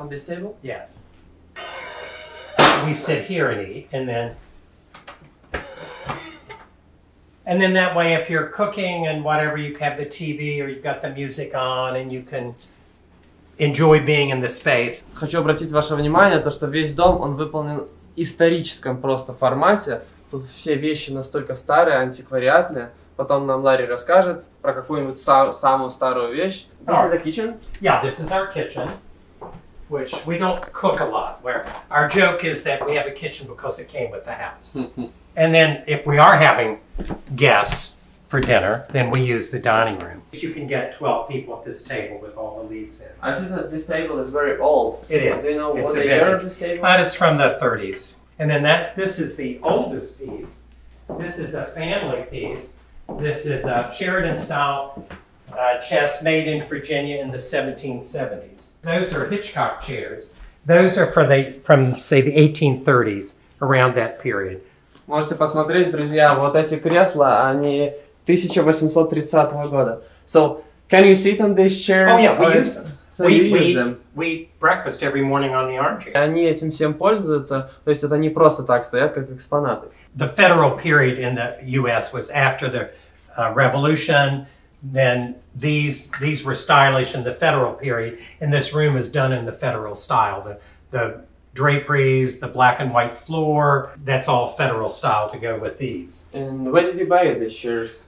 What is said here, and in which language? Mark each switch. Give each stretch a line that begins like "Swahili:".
English: On this table? Yes. We sit here and eat, and then that way, if you're cooking and whatever, you have the TV or you've got the music on and you can enjoy being in the space.
Russian: Хочу обратить ваше внимание, то что весь дом, он выполнен в историческом просто формате. Тут все вещи настолько старые, антиквариатные. Потом нам Ларри расскажет про какую-нибудь самую старую вещь.
English: This is the kitchen? Yeah, this is our kitchen, which we don't cook a lot. Where our joke is that we have a kitchen because it came with the house. And then if we are having guests for dinner, then we use the dining room. You can get 12 people at this table with all the leaves in. I see that this table is very old. It is. Do you know it's what the year of this table? But it's from the 30s. And then this is the oldest piece. This is a family piece. This is a Sheridan style chest made in Virginia in the 1770s. Those are Hitchcock chairs. Those are from the 1830s, around that period.
Russian: Можете посмотреть, друзья, вот эти кресла, они 1830 года.
English: So, can you sit on these chairs? Oh yeah, we use them. So we use them. We breakfast every morning on the armchair.
Russian: Они этим всем пользуются, то есть это не просто так стоят, как экспонаты.
English: The federal period in the U.S. was after the revolution. Then these were stylish in the federal period, and this room is done in the federal style. The draperies, the black and white floor, that's all federal style to go with these. And where did you buy these chairs?